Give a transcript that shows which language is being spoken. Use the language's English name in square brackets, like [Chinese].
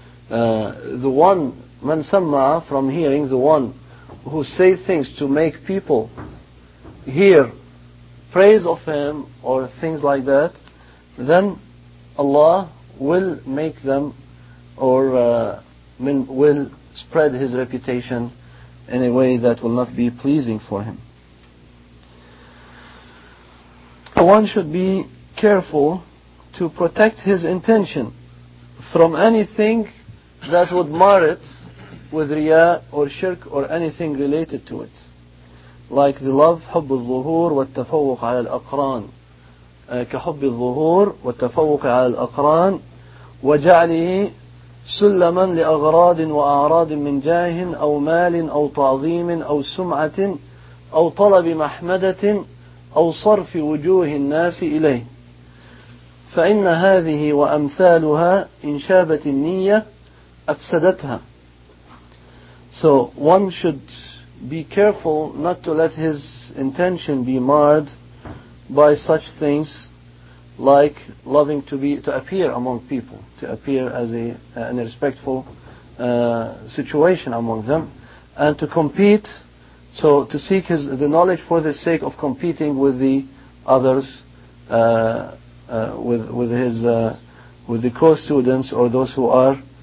[English] The one, [Arabic] man sama'a, [English] from hearing, the one who say things to make people hear praise of him or things like that, then Allah will make them or will spread his reputation in a way that will not be pleasing for him. One should be careful to protect his intention from anything that would mar it with riya or shirk or anything related to it. Like the love, [Arabic] حب الظهور والتفوق على الأقران كحب الظهور والتفوق على الأقران وجعله سلما لأغراض وأعراض من جاه أو مال أو تعظيم أو سمعة أو طلب محمدة أو صرف وجوه الناس إليه فإن هذه وأمثالها إن شابت النية أفسدتها. [English] So one should be careful not to let his intention be marred by such things like loving to appear among people, to appear as a respectful situation among them, and to compete, so to seek the knowledge for the sake of competing with the others, with the co-students or those who are